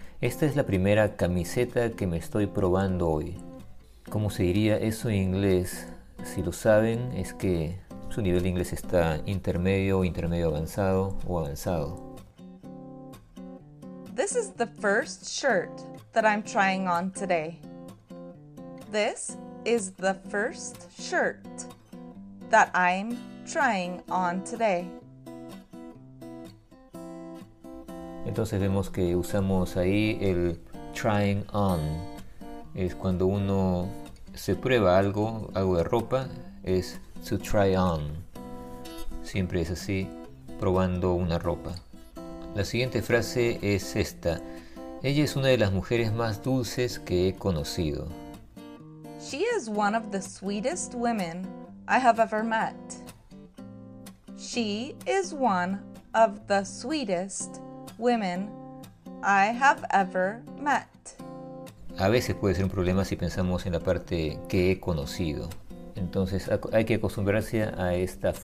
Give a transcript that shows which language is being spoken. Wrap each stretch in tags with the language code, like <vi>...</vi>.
<es>Esta es la primera camiseta que me estoy probando hoy. ¿Cómo se diría eso en inglés? Si lo saben, es que su nivel de inglés está intermedio, intermedio avanzado o avanzado.</es> <en>This is the first shirt that I'm trying on today. This is the first shirt that I'm trying on today.</en> <es>Entonces vemos que usamos ahí el trying on. Es cuando uno se prueba algo de ropa, es to try on. Siempre es así, probando una ropa. La siguiente frase es esta. Ella es una de las mujeres más dulces que he conocido.</es> <en>She is one of the sweetest women I have ever met. She is one of the sweetest women I have ever met.</en> <es>A veces puede ser un problema si pensamos en la parte que he conocido. Entonces hay que acostumbrarse a esta.</es>